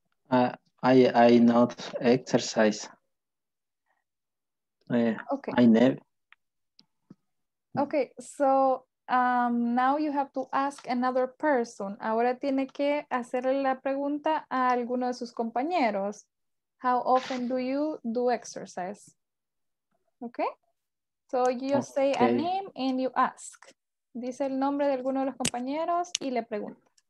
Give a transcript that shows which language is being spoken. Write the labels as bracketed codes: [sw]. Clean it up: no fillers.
[en] I not exercise. Okay. I never. Okay, so now you have to ask another person. [es] Ahora tiene que hacerle la pregunta a alguno de sus compañeros. [en] How often do you do exercise? Okay? So you just say a name and you ask. [es] Dice el nombre de alguno de los compañeros y le pregunta.